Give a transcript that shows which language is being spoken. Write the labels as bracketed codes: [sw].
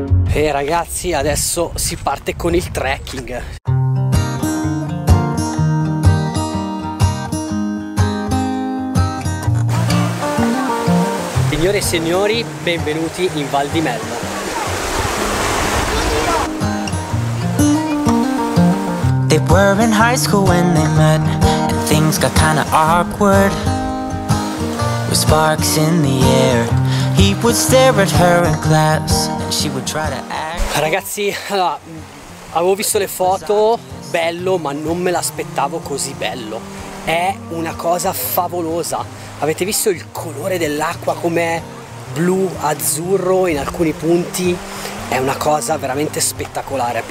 [it] E ragazzi, adesso si parte con il trekking. Signore e signori, benvenuti in Val di Mello. [en] They were in high school when they met, and things got kinda awkward. With sparks in the air, he would stare at her in class, and she would try to act. [it] Ragazzi, avevo visto le foto, bello, ma non me l'aspettavo così bello. È una cosa favolosa. Avete visto il colore dell'acqua com'è? Blu, azzurro in alcuni punti. È una cosa veramente spettacolare.